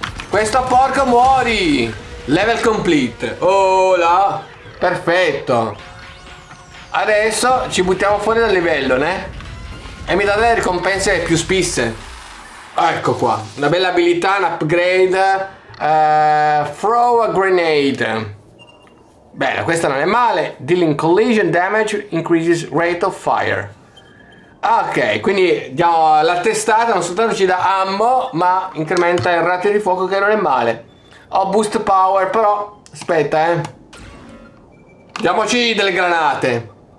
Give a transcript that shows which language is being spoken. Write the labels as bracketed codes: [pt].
[it] Questo porco muori. [en] Level complete. [it] Oh là. Perfetto. Adesso ci buttiamo fuori dal livello, né? E mi dà delle ricompense più spisse. Ecco qua. Una bella abilità, un upgrade. [en] Throw a grenade. [it] Bella, questa non è male. [en] Dealing collision damage increases rate of fire. [it] Ok, quindi diamo la testata. Non soltanto ci dà ammo, ma incrementa il rate di fuoco, che non è male. Ho boost power, però aspetta, diamoci delle granate.